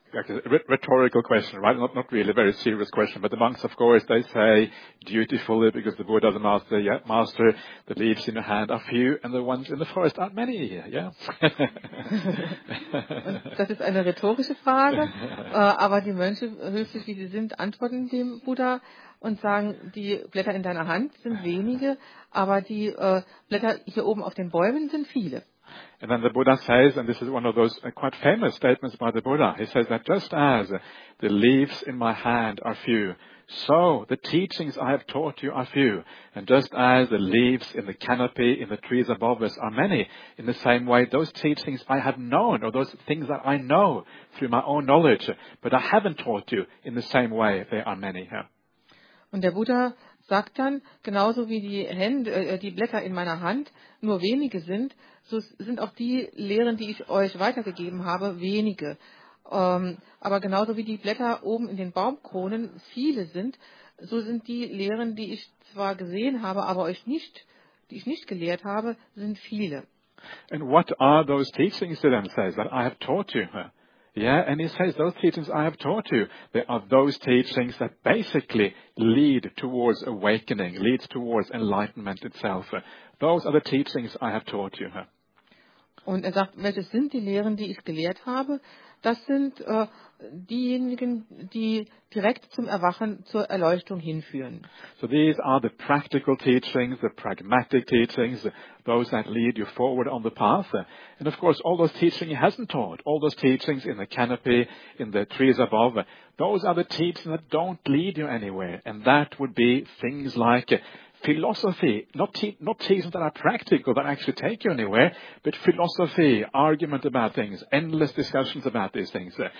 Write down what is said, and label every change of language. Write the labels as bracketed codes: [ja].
[en] Rhetorical question, right? Not really a very serious question, but the monks, of course, they say dutifully, because the Buddha, the master, yeah, master, the leaves in your hand are few and the ones in the forest aren't many, yeah? [de] Das ist eine rhetorische Frage, aber die Mönche, höflich wie sie sind, antworten dem Buddha und sagen, die Blätter in deiner Hand sind wenige, aber die Blätter hier oben auf den Bäumen sind viele. [en] And then the Buddha says, and this is one of those quite famous statements by the Buddha, he says that just as the leaves in my hand are few, so the teachings I have taught you are few. And just as the leaves in the canopy in the trees above us are many, in the same way those teachings I have known, or those things that I know through my own knowledge, but I haven't taught you, in the same way they are many. [de] Und der Buddha sagt dann, genauso wie die Blätter in meiner Hand nur wenige sind, so sind auch die Lehren, die ich euch weitergegeben habe, wenige. Aber genauso wie die Blätter oben in den Baumkronen viele sind, so sind die Lehren, die ich zwar gesehen habe, aber euch nicht, die ich nicht gelehrt habe, sind viele. [en] And what are those teachings to them, says, that I have taught you? Yeah, and he says, those teachings I have taught you, they are those teachings that basically lead towards awakening, leads towards enlightenment itself. Those are the teachings I have taught you. [de] Und er sagt, welches sind die Lehren, die ich gelehrt habe? das sind diejenigen, die direkt zum Erwachen, zur Erleuchtung hinführen. [en] So these are the practical teachings, the pragmatic teachings, those that lead you forward on the path. And of course, all those teachings he hasn't taught, all those teachings in the canopy, in the trees above, those are the teachings that don't lead you anywhere. And that would be things like philosophy, not teachings that are practical, that actually take you anywhere, but philosophy, argument about things, endless discussions about these things.